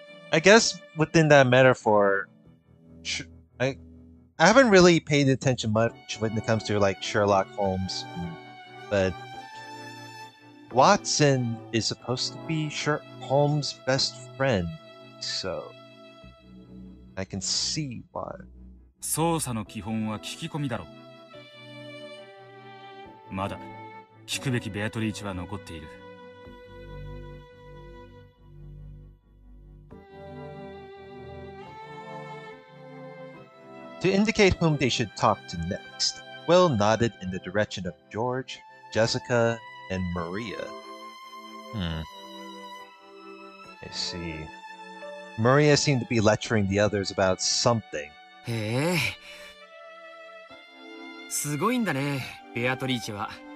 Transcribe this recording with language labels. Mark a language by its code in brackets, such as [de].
[en] I guess within that metaphor, I haven't really paid attention much when it comes to like Sherlock Holmes, but Watson is supposed to be Holmes' best friend, so I can see why. [ja] 捜査の基本は聞き込みだろう。まだ聞くべきベアトリーチは残っている。 [en] To indicate whom they should talk to next, Will nodded in the direction of George, Jessica, and Maria. I see. Maria seemed to be lecturing the others about something. Hey. [ja] すごいんだね、ベアトリーチは。